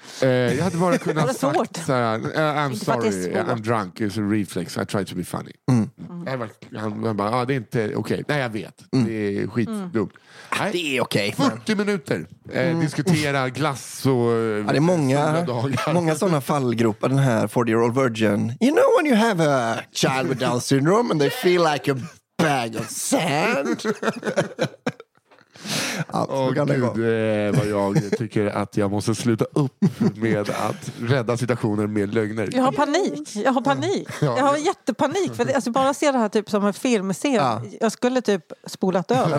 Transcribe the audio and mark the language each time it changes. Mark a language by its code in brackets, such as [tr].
[sv] Jag hade bara kunnat sagt så här, [en] I'm sorry, I'm drunk, it's a reflex, I try to be funny. Mm. [sv] Han bara, ah, det är inte okej. Okay. Nej, jag vet. Mm. Det är skitdumt. Mm. Det är okej. Okay, 40 men... minuter. Diskutera glass och... Ja, det är många sådana fallgropar. Den här 40-year-old virgin. [en] You know when you have a child with Down syndrome and they feel like a bag of sand? [sv] Vad jag tycker att jag måste sluta upp med att rädda situationer med lögner. Jag har panik. Jag har jättepanik. För alltså, bara ser det här typ som en filmscen. Ja. Jag skulle typ spolat över.